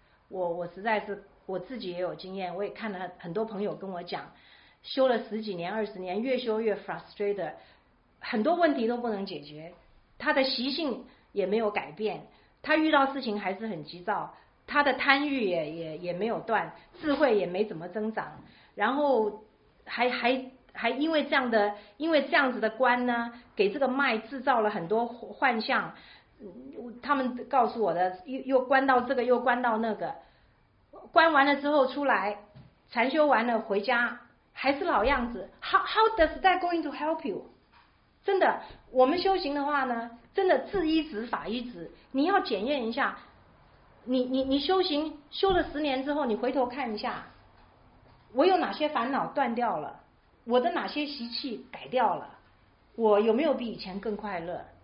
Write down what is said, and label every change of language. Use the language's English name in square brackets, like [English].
[Chinese] 我实在是，我自己也有经验，我也看了很多朋友跟我讲，修了十几年二十年，越修越 frustrated， 很多问题都不能解决，他的习性也没有改变，他遇到事情还是很急躁，他的贪欲也没有断，智慧也没怎么增长，然后还因为这样子的观呢，给这个脉制造了很多幻象。他们告诉我的，又关到这个，又关到那个，关完了之后出来，禅修完了回家还是老样子。 [English] How does that going to help you？ [Chinese] 真的，我们修行的话呢，真的智一止，法一止。你要检验一下，你修行修了十年之后，你回头看一下，我有哪些烦恼断掉了，我的哪些习气改掉了，我有没有比以前更快乐？